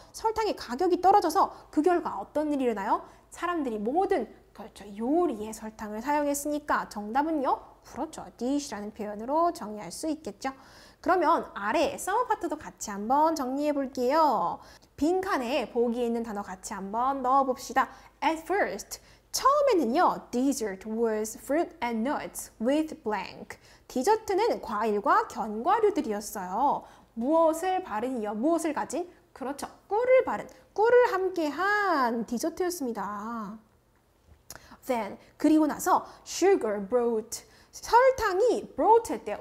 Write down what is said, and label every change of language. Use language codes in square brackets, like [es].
[ko] 설탕의 가격이 떨어져서 그 결과 어떤 일이 일어나요? 사람들이 모든 그렇죠, 요리에 설탕을 사용했으니까 정답은요? 그렇죠. dish라는 표현으로 정리할 수 있겠죠. 그러면 아래 summer part도 같이 한번 정리해 볼게요. 빈칸에 보기에 있는 단어 같이 한번 넣어 봅시다. [en] At first, [ko] 처음에는요, [en] dessert was fruit and nuts with blank. [ko] 디저트는 과일과 견과류들이었어요. 무엇을 바른 이어 무엇을 가진? 그렇죠. 꿀을 바른, 꿀을 함께한 디저트였습니다. Then, 그리고 나서 [en] sugar brought. [ko] 설탕이 brought 했대요.